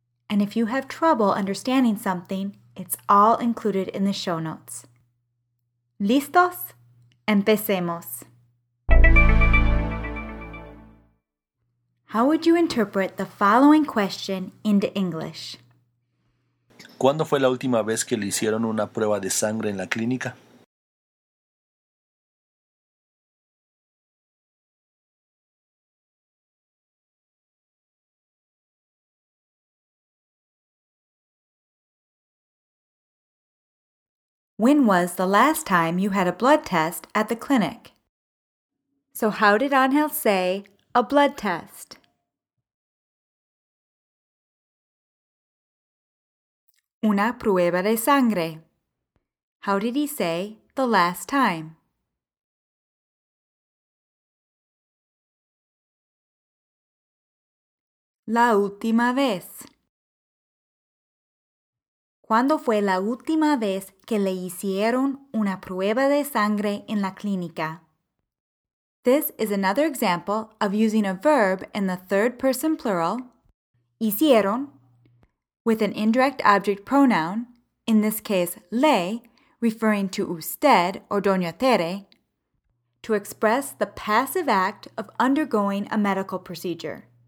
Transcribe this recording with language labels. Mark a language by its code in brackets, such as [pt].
[en] And if you have trouble understanding something, it's all included in the show notes. [es] ¿Listos? ¡Empecemos! [en] How would you interpret the following question into English? [es] ¿Cuándo fue la última vez que le hicieron una prueba de sangre en la clínica? [en] When was the last time you had a blood test at the clinic? So how did Angel say a blood test? [es] Una prueba de sangre. [en] How did he say the last time? [es] La última vez. ¿Cuándo fue la última vez que le hicieron una prueba de sangre en la clínica? [en] This is another example of using a verb in the third person plural, hicieron, with an indirect object pronoun, in this case le, referring to usted or Doña Tere, to express the passive act of undergoing a medical procedure.